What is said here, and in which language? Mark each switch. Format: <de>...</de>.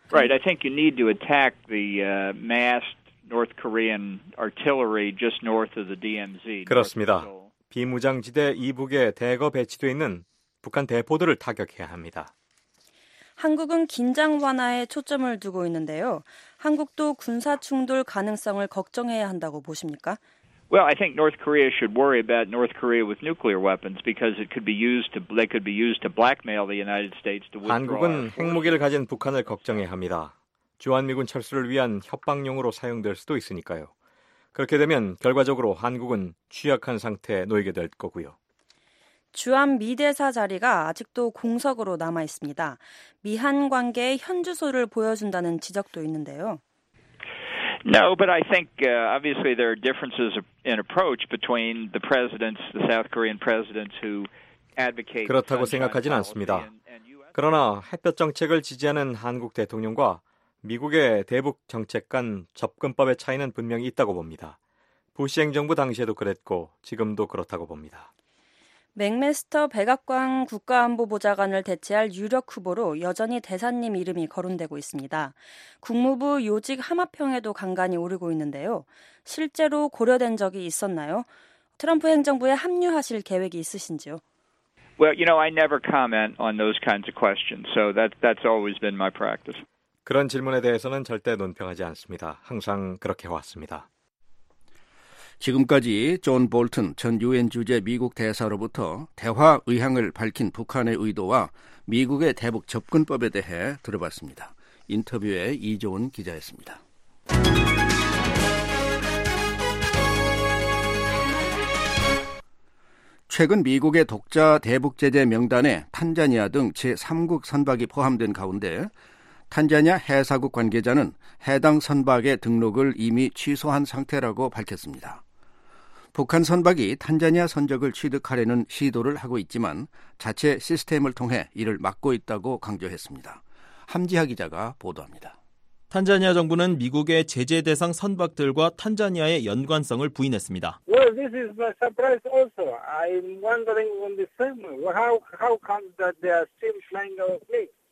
<en>Right, I think you need to attack the massed North Korean artillery just north of the DMZ.</en> <ko>그렇습니다. 비무장지대 이북에 대거 배치되어 있는 북한 대포들을 타격해야 합니다. 한국은 긴장 완화에 초점을 두고 있는데요. 한국도 군사 충돌 가능성을 걱정해야 한다고 보십니까?</ko> <en>Well, I think North Korea should worry about North Korea with nuclear weapons because it could be used to they could be used to blackmail the United States to withdraw.</en> <ko>한국은 핵무기를 가진 북한을 걱정해야 합니다. 주한미군 철수를 위한 협박용으로 사용될 수도 있으니까요. 그렇게 되면 결과적으로 한국은 취약한 상태에 놓이게 될 거고요. 주한 미대사 자리가 아직도 공석으로 남아 있습니다. 미한 관계의 현주소를 보여준다는 지적도 있는데요.</ko> <en>No, but I think obviously there are differences in approach between the presidents, the South Korean presidents who advocate.</en> <ko>그렇다고 생각하진 않습니다. 그러나 햇볕 정책을 지지하는 한국 대통령과 미국의 대북 정책 간 접근법의 차이는 분명히 있다고 봅니다. 부시 행정부 당시에도 그랬고 지금도 그렇다고 봅니다. 맥메스터 백악관 국가안보보좌관을 대체할 유력 후보로 여전히 대사님 이름이 거론되고 있습니다. 국무부 요직 함합평에도 간간이 오르고 있는데요. 실제로 고려된 적이 있었나요? 트럼프 행정부에 합류하실 계획이 있으신지요?</ko> <en>Well, you know, I never comment on those kinds of questions, so that's always been my practice.</en> <ko>그런 질문에 대해서는 절대 논평하지 않습니다. 항상 그렇게 해왔습니다. 지금까지 존 볼튼 전 유엔 주재 미국 대사로부터 대화 의향을 밝힌 북한의 의도와 미국의 대북 접근법에 대해 들어봤습니다. 인터뷰에 이조은 기자였습니다. 최근 미국의 독자 대북 제재 명단에 탄자니아 등 제3국 선박이 포함된 가운데 탄자니아 해사국 관계자는 해당 선박의 등록을 이미 취소한 상태라고 밝혔습니다. 북한 선박이 탄자니아 선적을 취득하려는 시도를 하고 있지만 자체 시스템을 통해 이를 막고 있다고 강조했습니다. 함지하 기자가 보도합니다. 탄자니아 정부는 미국의 제재 대상 선박들과 탄자니아의 연관성을 부인했습니다.</ko> <en>Well, this is my surprise also. I'm wondering on the same. How come that they are still flying our fleet?</en>